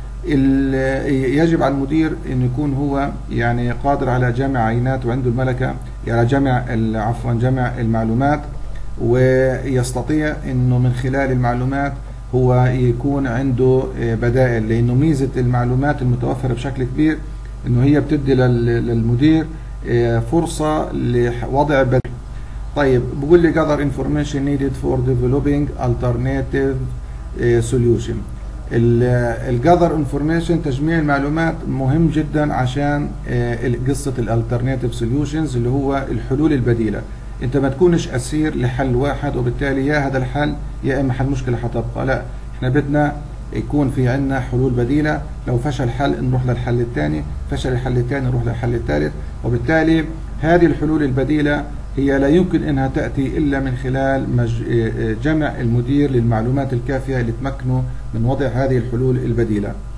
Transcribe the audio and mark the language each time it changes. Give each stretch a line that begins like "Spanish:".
Arabic: يجب على المدير أن يكون هو يعني قادر على جمع عينات وعنده الملكة يعني جمع المعلومات، ويستطيع أنه من خلال المعلومات هو يكون عنده بدائل، لأنه ميزة المعلومات المتوفرة بشكل كبير أنه هي بتدي للمدير فرصة لوضع بدائل. طيب بقول لك
English: other information needed for developing alternative solution.
Arabic: الجذر انفورميشن تجميع المعلومات مهم جدا عشان قصه الالترناتيف سوليوشنز اللي هو الحلول البديله. انت ما تكونش اسير لحل واحد وبالتالي يا هذا الحل يا اما حل مشكله حتبقى، لا احنا بدنا يكون في عندنا حلول بديله، لو فشل حل نروح للحل الثاني، فشل الحل الثاني نروح للحل الثالث، وبالتالي هذه الحلول البديله هي لا يمكن انها تاتي الا من خلال جمع المدير للمعلومات الكافيه اللي تمكنه من وضع هذه الحلول البديله.